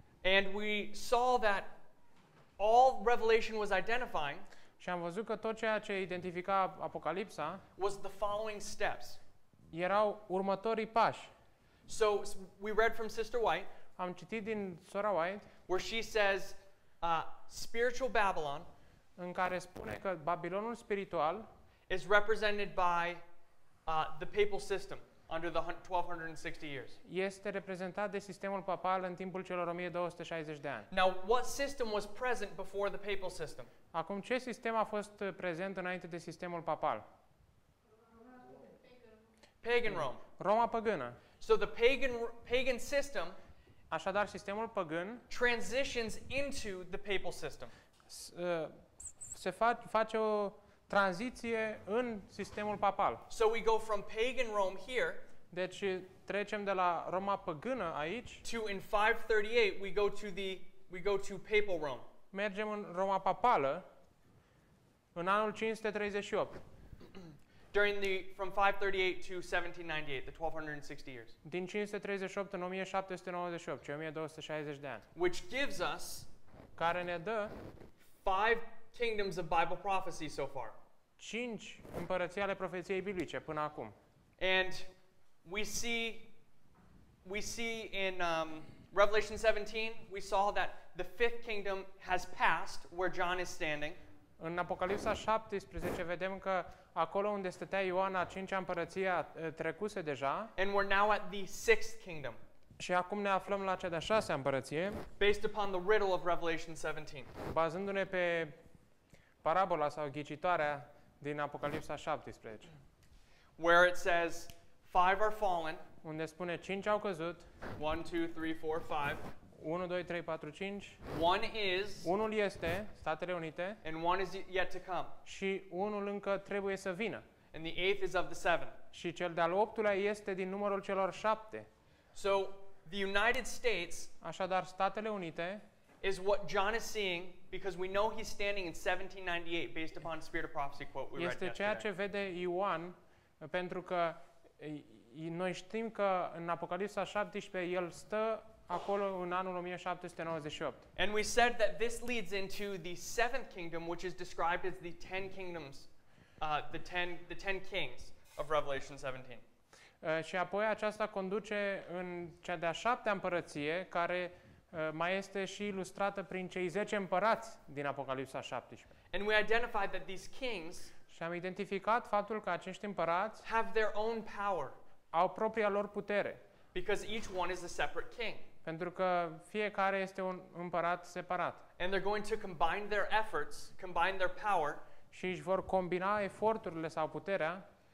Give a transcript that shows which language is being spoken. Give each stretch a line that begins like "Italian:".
English: And we saw that all Revelation was identifying,
Romanian: și am văzut că tot ceea ce identifica Apocalipsa,
English: was the following steps.
Romanian: Erau următorii pași.
English: So we read from Sister White.
Romanian: Am citit din Sora White,
English: where she says spiritual Babylon,
Romanian: în care spune că Babilonul spiritual
English: is represented by the papal system. under the 1260 years.
Romanian: Este reprezentat de sistemul papal în timpul celor 1260 de ani.
English: Now, what system was present before the papal system?
Romanian: Acum, ce sistem a fost prezent înainte de sistemul papal?
English: Pagan Rome.
Romanian: Roma păgână.
English: So the pagan system,
Romanian: așadar sistemul păgân,
English: transitions into the papal system.
Romanian: Se face o tranziție în sistemul papal.
English: So we go from pagan Rome here.
Romanian: Deci trecem de la Roma păgână aici.
English: To in 538 we go to papal Rome.
Romanian: Mergem în Roma papală în anul 538.
English: During the from 538 to 1798, the 1260 years.
Romanian: Din 538 în 1798, cei 1260 de ani.
English: Which gives us,
Romanian: care ne dă,
English: 5 kingdoms of Bible prophecy so far.
Romanian: 5 împărății ale profeției biblice până acum.
English: And we see in Revelation 17, we saw that the fifth kingdom has passed where John is standing.
Romanian: În Apocalipsa 17 vedem că acolo unde stătea Ioan, a cincea împărăție a trecuse deja.
English: And we're now at the sixth kingdom.
Romanian: Și acum ne aflăm la cea de-a șasea împărăție.
English: Based upon the riddle of Revelation 17.
Romanian: Bazându-ne pe parabola sau ghicitoarea din Apocalipsa 17.
English: Where it says five are fallen.
Romanian: Unde spune cinci au căzut.
English: 1 2 3 4 5.
Romanian: 1 2 3 4 5.
English: One is.
Romanian: Unul este Statele Unite.
English: And one is yet to come.
Romanian: Și unul încă trebuie să vină.
English: And the eighth is of the seven.
Romanian: Și cel de-al optulea este din numărul celor șapte.
English: So the United States.
Romanian: Așadar Statele Unite.
English: Is what John is seeing because we know he's standing in 1798 based upon Spirit of Prophecy quote we read yesterday.
Romanian: Este ceea ce vede Ioan pentru că noi știm că în Apocalipsa 17 el stă acolo în anul 1798.
English: And we said that this leads into the seventh kingdom, which is described as the ten kingdoms, the ten kings of Revelation 17.
Romanian: Și apoi aceasta conduce în cea de-a șaptea împărăție, care mai este și ilustrată prin cei 10 împărați din Apocalipsa 17.
English: And we identified that these kings.
Romanian: Și am identificat faptul că acești împărați
English: have their own power.
Romanian: Au propria lor putere.
English: Because each one is a separate king.
Romanian: Pentru că fiecare este un împărat separat.
English: And they're going to combine their efforts, combine their power.
Romanian: Și își vor combina eforturile sau puterea.